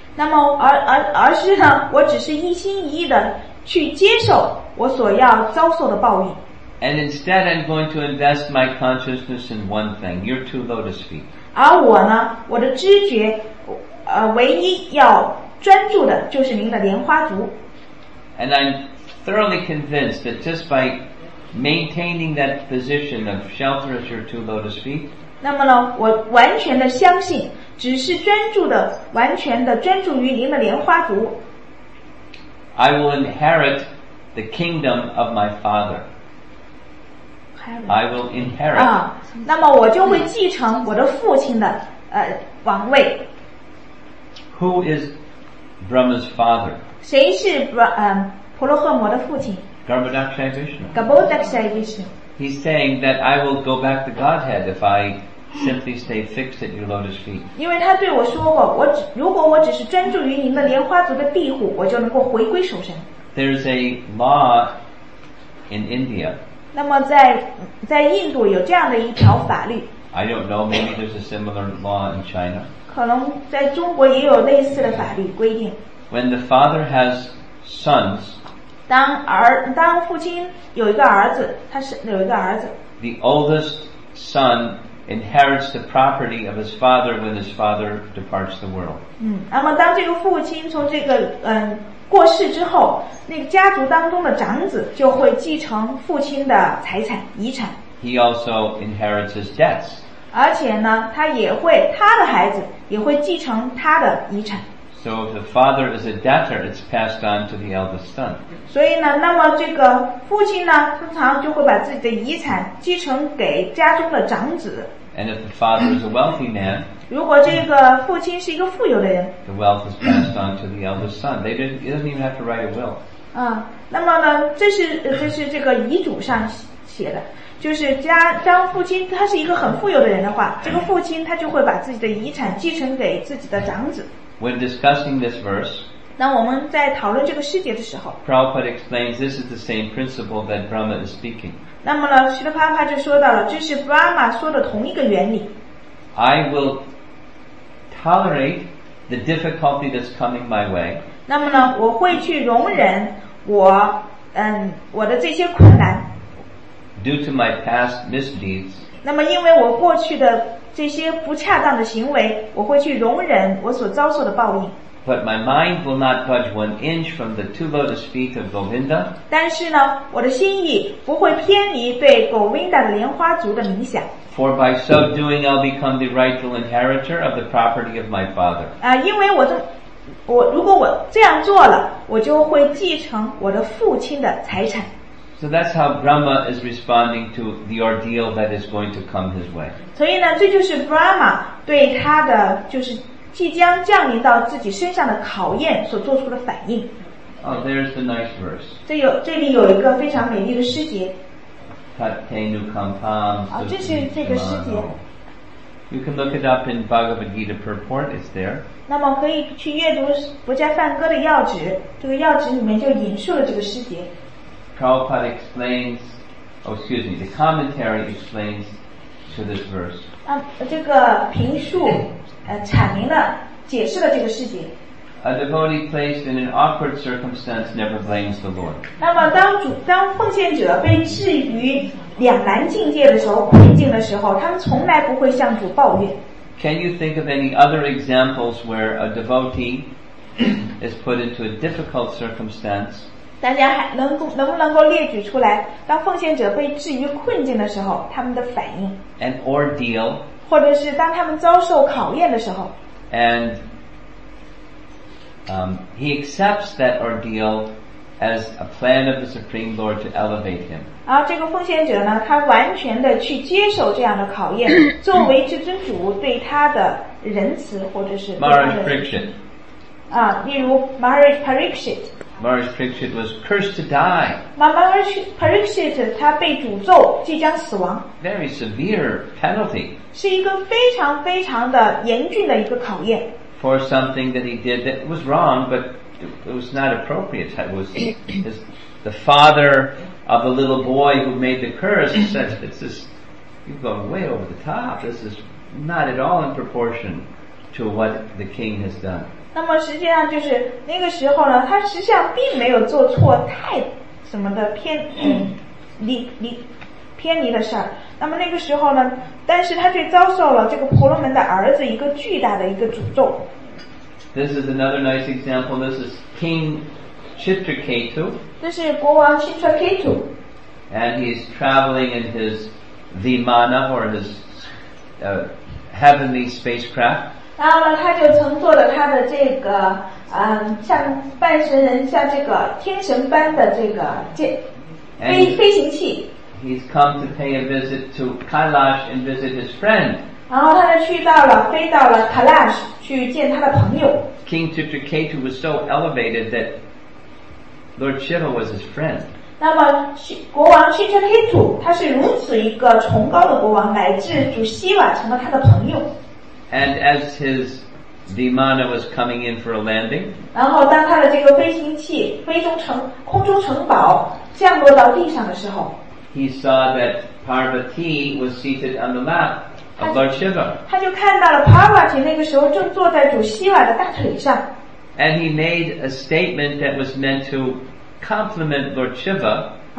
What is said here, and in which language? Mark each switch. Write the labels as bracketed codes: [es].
[zh] 那么而是呢，我只是一心一意的去接受我所要遭受的报应。 [en] And instead, I'm going to invest my consciousness in one thing, your two lotus feet. [zh] 而我呢，我的知觉，唯一要专注的就是您的莲花足。 [en] And I'm thoroughly convinced that just by maintaining that position of shelter as your two lotus feet, [zh] 那么呢，我完全的相信，只是专注的，完全的专注于您的莲花足。 [en] I will inherit the kingdom of my father. I will inherit. [zh] 啊，那么我就会继承我的父亲的王位。 [en] Who is Brahma's father? [zh] 谁是婆罗诃摩的父亲？ [en] Garbhodakshaya Vishnu. Garbhodakshaya Vishnu. He's saying that I will go back to Godhead if I simply stay fixed at your lotus feet. [zh] 因为他对我说过，我如果我只是专注于您的莲花足的庇护，我就能够回归受身。 [en] There's a law in India. [zh] 那么在印度有这样的一条法律。 [en] I don't know. Maybe there's a similar law in China. [zh] 可能在中国也有类似的法律规定。 [en] When the father has sons. [zh] 当父亲有一个儿子，他是有一个儿子。 [en] The oldest son inherits the property of his father when his father departs the world. [zh] 嗯，那么当这个父亲从这个过世之后，那个家族当中的长子就会继承父亲的财产遗产。 [en] He also inherits his debts. [zh] 而且呢，他也会他的孩子也会继承他的遗产。 [en] So if the father is a debtor, it's passed on to the eldest son. [zh] 所以呢，那么这个父亲呢，通常就会把自己的遗产继承给家中的长子。 [en] And if the father is a wealthy man, [zh] 如果这个父亲是一个富有的人 [en] ，the wealth is passed on to the eldest son. He doesn't even have to write a will. [zh] 啊，那么呢，这是这个遗嘱上写的，就是当父亲他是一个很富有的人的话，这个父亲他就会把自己的遗产继承给自己的长子。 [en] When discussing this verse, [zh] 那我们在讨论这个细节的时候 [en] Prabhupada explains this is the same principle that Brahma is speaking. [zh] 那么呢，释迦牟尼就说到了，这是 Brahma 说的同一个原理。 [en] I will tolerate the difficulty that's coming my way. [zh] 那么呢，我会去容忍我的这些困难。 [en] Due to my past misdeeds. [zh] 那么因为我过去的这些不恰当的行为，我会去容忍我所遭受的报应。 [en] But my mind will not budge one inch from the two lotus feet of Govinda. [zh] 但是呢，我的心意不会偏离对 Govinda 的莲花足的冥想。 [en] For by so doing, I'll become the rightful inheritor of the property of my father. [zh] 因为我如果我这样做了，我就会继承我的父亲的财产。 [en] So that's how Brahma is responding to the ordeal that is going to come his way. [zh] 所以呢，这就是 Brahma 对他的就是即将降临到自己身上的考验所做出的反应。 [en] Oh, there's the nice verse. [zh] 这里有一个非常美丽的诗节。 [sa] Tatenu kampam. [zh] 这是这个诗节。 [en] You can look it up in Bhagavad Gita purport. It's there. [zh] 那么可以去阅读《博伽梵歌》的要旨，这个要旨里面就引述了这个诗节。 [en] Prabhupada explains, the commentary explains to this verse. [zh] 这个评述阐明了解释了这个事情。 [en] A devotee placed in an awkward circumstance never blames the Lord. [zh] 那么当奉献者被置于两难境界的时候，困境的时候，他们从来不会向主抱怨。 [en] Can you think of any other examples where a devotee is put into a difficult circumstance? [zh] 大家还能不能够列举出来，当奉献者被置于困境的时候，他们的反应 [en] ？An ordeal， [zh] 或者是当他们遭受考验的时候 [en] ？And he accepts that ordeal as a plan of the Supreme Lord to elevate him。 [zh] 然后这个奉献者呢，他完全的去接受这样的考验，作为至尊主对他的仁慈或者是 [en] Maharaj Pariksit。 [zh] 例如 Maharaj Pariksit。 [en] Maharaj Pariksit was cursed to die. [zh] Maharaj Pariksit, 他被诅咒，即将死亡。 [en] Very severe penalty. [zh] 是一个非常非常的严峻的一个考验。 [en] For something that he did that was wrong, but it was not appropriate. It was the father of the little boy who made the curse said, "This is you've gone way over the top. This is not at all in proportion to what the king has done." [zh] 那么实际上就是那个时候呢，他实际上并没有做错太什么的偏离的事儿。那么那个时候呢，但是他却遭受了这个婆罗门的儿子一个巨大的一个诅咒。 [en] This is another nice example. This is King Chitraketu. [zh] 这是国王 Chitraketu. [en] And he is traveling in his vimana or his heavenly spacecraft. [zh] 然后呢，他就乘坐了他的这个，像半神人，像这个天神般的这个飞行器。 [en] He's come to pay a visit to Kailash and visit his friend. [zh] 然后他就去到了，飞到了 Kailash 去见他的朋友。 [en] King Chitraketu was so elevated that Lord Shiva was his friend. [zh] 那么国王 Chitraketu 他是如此一个崇高的国王， 乃至主希瓦成了他的朋友。 [en] And as his Vimana was coming in for a landing, [zh] 然后当他的这个飞行器，飞中城，空中城堡降落到地上的时候， [en] he saw that Parvati was seated on the lap of Lord Shiva. [zh] 他就看到了 Parvati 那个时候正坐在主希瓦的大腿上。 [en] And he made a statement that was meant to compliment Lord Shiva.